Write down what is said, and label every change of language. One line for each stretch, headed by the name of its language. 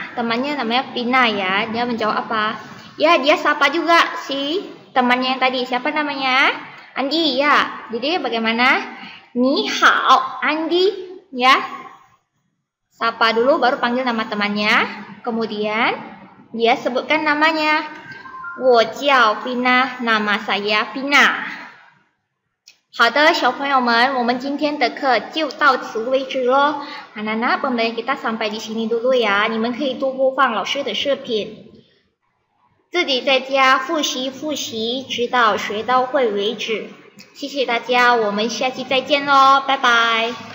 Indonesian: Temannya namanya Vina ya. Dia menjawab apa? Ya, dia sapa juga si temannya yang tadi. Siapa namanya? Andi, ya. Jadi bagaimana?
Chinese: Ni hao, Andi, ya.
Indonesian: Sapa dulu, baru panggil nama temannya. Kemudian, dia sebutkan namanya.
Chinese: Wo jiao Vina,
Indonesian: nama saya Vina.
Chinese: 好的，小朋友们，我们今天的课就到此为止咯。
Indonesian: Anak-anak, pembelajaran kita sampai di sini dulu ya.
Chinese: 你们可以多播放老师的视频。自己在家复习复习，直到学到会为止。谢谢大家，我们下期再见喽，拜拜。